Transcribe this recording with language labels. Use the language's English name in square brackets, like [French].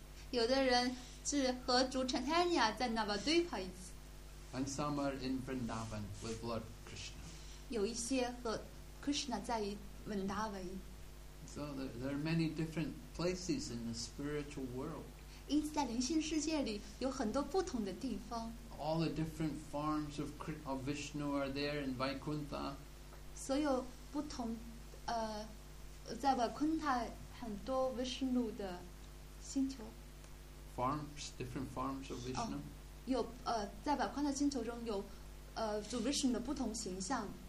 [Chinese] 有的人是和主 Chaitanya 在 Navadvip 一起。 [English] And some are in Vrindavan with Lord Krishna. [Chinese] 有一些和 Krishna 在 Vrindavan. [English] So there are many different places in the spiritual world. [Chinese] 因此在灵性世界里有很多不同的地方。 [English] All the different forms of Vishnu are there in Vaikuntha. [Chinese] 所有不同在 Vaikuntha 很多 Vishnu 的星球。 [English] Forms, different forms of Vishnu. [Chinese] 有在百宽的星球中有主 Vishnu 的不同形象。